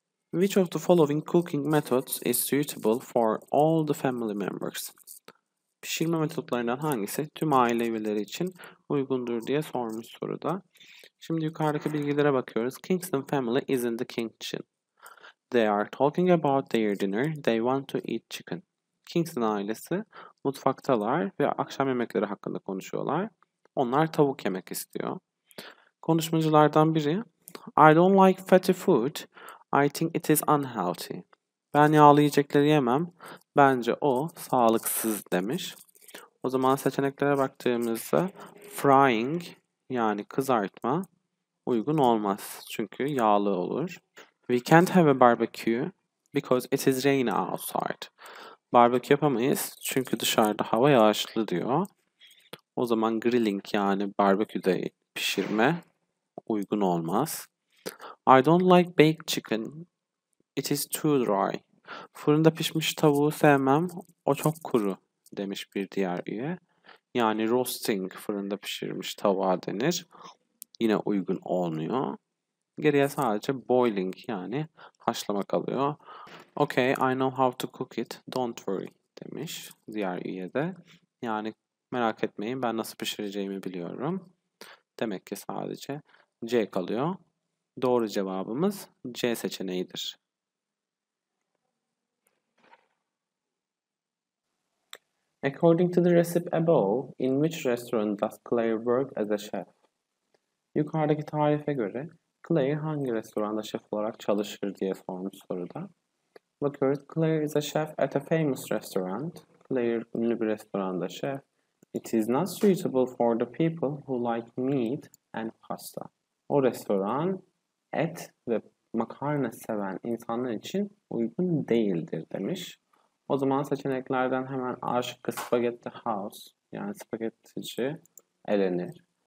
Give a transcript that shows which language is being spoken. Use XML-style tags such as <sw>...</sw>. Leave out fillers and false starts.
<en>Which of the following cooking methods is suitable for all the family members?</en> <tr>Pişirme metotlarından hangisi tüm aile üyeleri için uygundur diye sormuş soruda. Şimdi yukarıdaki bilgilere bakıyoruz.</tr> <en>Kingston family is in the kitchen. They are talking about their dinner. They want to eat chicken.</en> <tr>Kingston ailesi mutfaktalar ve akşam yemekleri hakkında konuşuyorlar. Onlar tavuk yemek istiyor. Konuşmacılardan biri,</tr> <en>I don't like fatty food. I think it is unhealthy.</en> <tr>Ben yağlı yiyecekleri yemem. Bence o sağlıksız demiş. O zaman seçeneklere baktığımızda frying yani kızartma uygun olmaz. Çünkü yağlı olur.</tr> <en>We can't have a barbecue because it is raining outside.</en> <tr>Barbekü yapamayız çünkü dışarıda hava yağışlı diyor. O zaman grilling yani barbeküde pişirme uygun olmaz.</tr> <en>I don't like baked chicken. It is too dry.</en> <tr>Fırında pişmiş tavuğu sevmem. O çok kuru demiş bir diğer üye. Yani roasting fırında pişirmiş tavuğa denir. Yine uygun olmuyor. Geriye sadece boiling yani haşlamak kalıyor.</tr> <en>Okay, I know how to cook it. Don't worry</en> <tr>demiş diğer üye de. Yani merak etmeyin ben nasıl pişireceğimi biliyorum. Demek ki sadece C kalıyor. Doğru cevabımız C seçeneğidir.</tr> <en>According to the recipe above, in which restaurant does Claire work as a chef?</en> <tr>Yukarıdaki tarife göre Claire hangi restoranda şef olarak çalışır diye sormuş soruda. Bakıyoruz,</tr> <en>Claire is a chef at a famous restaurant.</en> <tr>Claire ünlü bir restoranda şef.</tr> <en>It is not suitable for the people who like meat and pasta.</en> <tr>O restoran et ve makarna seven insanlar için uygun değildir demiş. O zaman seçeneklerden hemen A şıkkı spaghetti house yani spagettici elenir.</tr>